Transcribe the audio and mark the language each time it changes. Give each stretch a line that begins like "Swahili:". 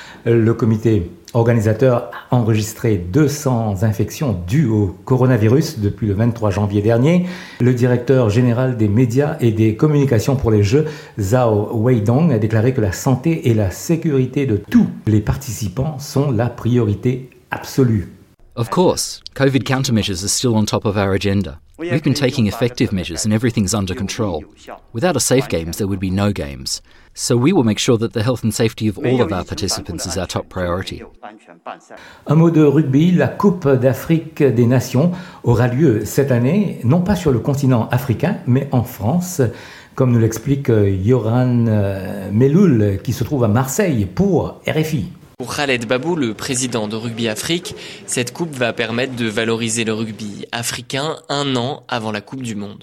French: Le comité organisateur a enregistré 200 infections dues au coronavirus depuis le 23 janvier dernier. Le directeur général des médias et des communications pour les Jeux, Zhao Weidong, a déclaré que la santé et la sécurité de tous les participants sont la priorité absolue.
English: Of course, COVID countermeasures are still on top of our agenda. We've been taking effective measures and everything's under control. Without a safe games, there would be no games. So we will make sure that the health and safety of all of our participants is our top priority.
French: Un mot de rugby, la Coupe d'Afrique des Nations aura lieu cette année, non pas sur le continent africain, mais en France, comme nous l'explique Yoran Meloul, qui se trouve à Marseille pour RFI. Pour Khaled Babou, le président de Rugby Afrique, cette coupe va permettre de valoriser le rugby africain un an avant la Coupe du Monde.